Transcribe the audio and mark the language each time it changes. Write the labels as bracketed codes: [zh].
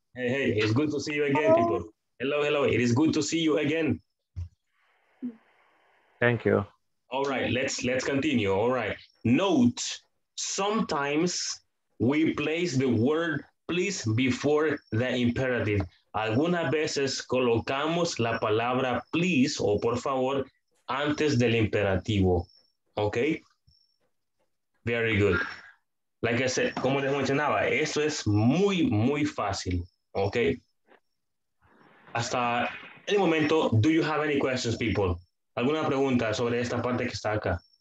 [en] Hey, hey, it's good to see you again, hello. People. Hello, hello. It is good to see you again. Thank you. All right, let's continue. All right. Note, sometimes we place the word please before the imperative. [es] Algunas veces colocamos la palabra please o por favor antes del imperativo. [en] Okay? Very good. Like I said, [es] como les mencionaba, esto es muy, muy fácil. [en] Okay? [es] Hasta el momento, [en] do you have any questions, people? [es] ¿Alguna pregunta sobre esta parte que está acá?